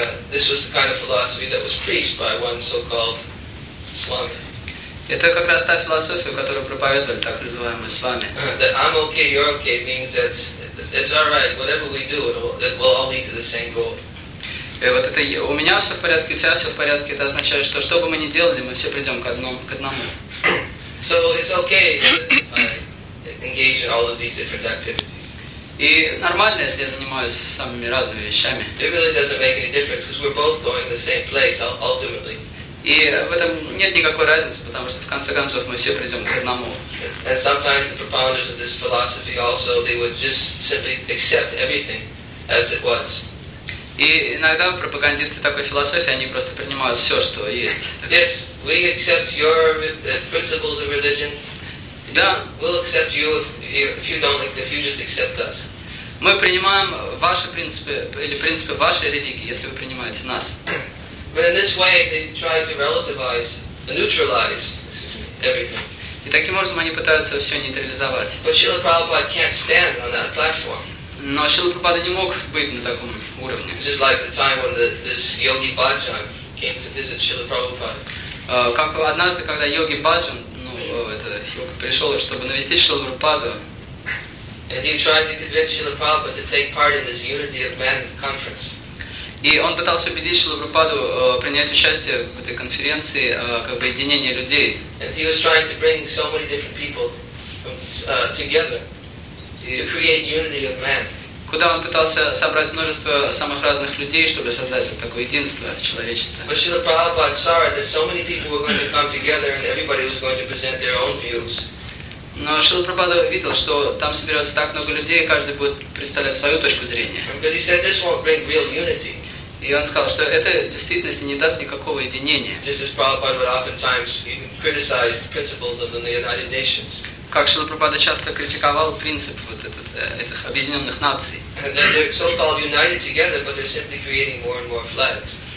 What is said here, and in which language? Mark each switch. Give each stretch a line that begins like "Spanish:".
English: This was the kind of philosophy that was preached by one so-called swami.
Russian: Это как раз та философия, которую проповедовали так называемые свами.
English: That I'm okay, you're okay means that it's all right, whatever we do, it will all lead to the same goal.
Russian: Вот это у меня все в порядке, у тебя все в порядке. Это означает, что бы мы ни делали, мы все придем к одному.
English: So it's okay to engage in all of these different activities.
Russian: И нормально, если я занимаюсь самыми разными вещами.
English: It really doesn't make any difference, because we're both going to the same place, ultimately.
Russian: И в этом нет никакой разницы, потому что в конце концов мы все придем к одному.
English: And sometimes the propounders of this philosophy also, they would just simply accept everything as it was.
Russian: И иногда пропагандисты такой философии, они просто принимают все, что есть.
English: Yes, we accept your principles of religion.
Russian: Да.
English: We'll accept you if you don't like, if you just accept us.
Russian: Мы принимаем ваши принципы или принципы вашей религии, если вы принимаете нас.
English: But in this way they try to relativize, neutralize, excuse me, everything.
Russian: И таким образом они пытаются все нейтрализовать.
English: But Srila Prabhupada can't stand on that platform.
Russian: Но Шрила Прабхупада не мог быть на таком уровне.
English: Just like the time when this Yogi Bhajan came to visit Srila Prabhupada.
Russian: Как однажды, когда Йоги Бхаджан, пришел, чтобы навестить Шрила Прабхупаду.
English: And he tried to convince Srila Prabhupada to take part in this Unity of Man conference.
Russian: И он пытался убедить Шрилу Прабхупаду принять участие в этой конференции, как бы единение людей.
English: And he was trying to bring so many different people together to create unity of man.
Russian: Куда он пытался собрать множество самых разных людей, чтобы создать вот такое единство человечества.
English: But Srila Prabhupada saw that so many people were going to come together and everybody was going to present their own views.
Russian: Но Шрила Прабхупада видел, что там соберется так много людей, и каждый будет представлять свою точку зрения.
English: But he said, this won't bring real unity.
Russian: И он сказал, что это в действительности не даст никакого единения.
English: Just as Prabhupada would oftentimes criticize the principles of the United Nations.
Russian: Как Шрила Прабхупада часто критиковал принцип вот этих объединенных наций.
English: And then they're so-called united together, but they're simply creating more and more flags.